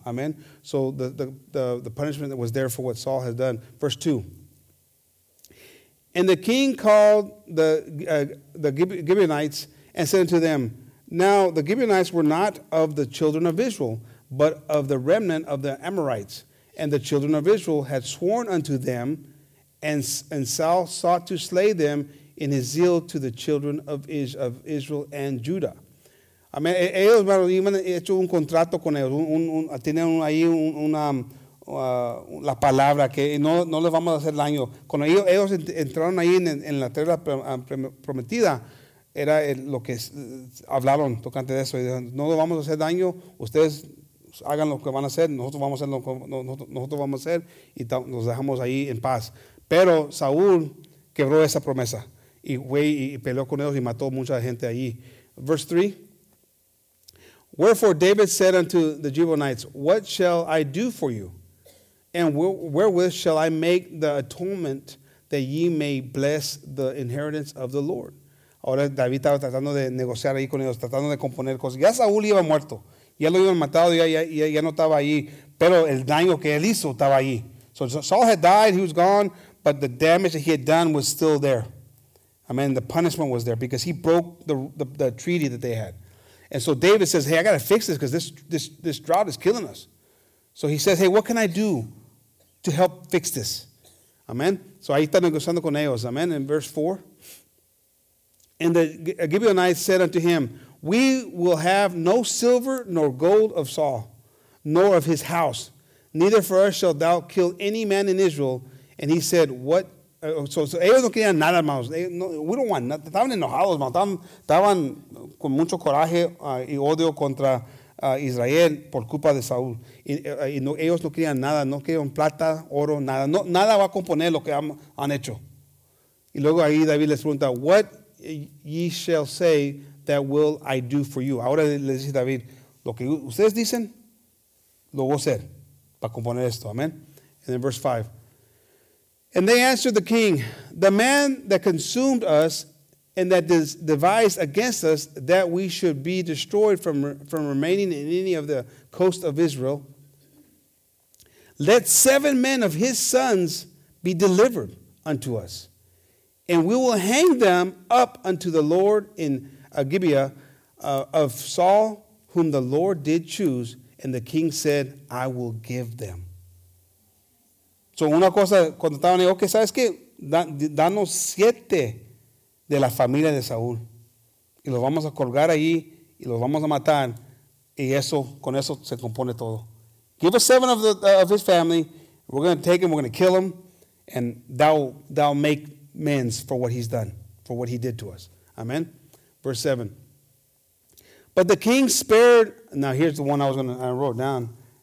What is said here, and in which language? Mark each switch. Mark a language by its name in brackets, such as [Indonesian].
[English] Amen. So the punishment that was there for what Saul had done. Verse 2. And the king called the Gibeonites and said unto them, now the Gibeonites were not of the children of Israel, but of the remnant of the Amorites. And the children of Israel had sworn unto them, and Saul sought to slay them in his zeal to the children of Israel and Judah. [Spanish] Amén. Ellos habían hecho un contrato con ellos. Tenían ahí la palabra que no les vamos a hacer daño. Cuando ellos entraron ahí en la tierra prometida, era lo que hablaron tocante de eso. No les vamos a hacer daño. Ustedes hagan lo que van a hacer. Nosotros vamos a hacer lo que nosotros vamos a hacer. Y nos dejamos ahí en paz. Pero Saúl quebró esa promesa y fue y peleó con ellos y mató mucha gente allí. [English] Verse 3. Wherefore David said unto the Gibeonites, what shall I do for you? And wherewith shall I make the atonement that ye may bless the inheritance of the Lord? [Spanish] Ahora David estaba tratando de negociar ahí con ellos, tratando de componer cosas. Ya Saúl iba muerto. Ya lo iban matado, ya no estaba allí. Pero el daño que él hizo estaba allí. [English] So Saul had died, he was gone. But the damage that he had done was still there. I mean, the punishment was there because he broke the treaty that they had. And so David says, hey, I got to fix this because this drought is killing us. So he says, hey, what can I do to help fix this? [Spanish] Amen. So ahí está negociando con ellos. Amen. [English] In verse 4. And the Gibeonites said unto him, we will have no silver nor gold of Saul, nor of his house. Neither for us shall thou kill any man in Israel. And he said, what? [Spanish] So ellos no querían nada, hermanos. [English] We don't want nothing. [Spanish] Estaban enojados, hermanos. Estaban con mucho coraje y odio contra Israel por culpa de Saúl. Y no, ellos no querían nada. No querían plata, oro, nada. No, nada va a componer lo que han hecho. Y luego ahí David les pregunta, [English] what ye shall say that will I do for you? [Spanish] Ahora le dice David, lo que ustedes dicen, lo voy a hacer para componer esto. [English] Amen. And then verse 5. And they answered the king, the man that consumed us and that devised against us that we should be destroyed from remaining in any of the coast of Israel, let 7 men of his sons be delivered unto us, and we will hang them up unto the Lord in Gibeah of Saul, whom the Lord did choose. And the king said, I will give them. [Spanish] So una cosa, cuando estaban ahí, ok, ¿sabes qué? Danos 7 de la familia de Saúl. Y los vamos a colgar ahí y los vamos a matar. Y eso, con eso se compone todo. [English] Give us 7 of his family. We're going to take him, we're going to kill him. And thou make amends for what he's done, for what he did to us. Amen. Verse 7. But the king spared, now here's the one I wrote down.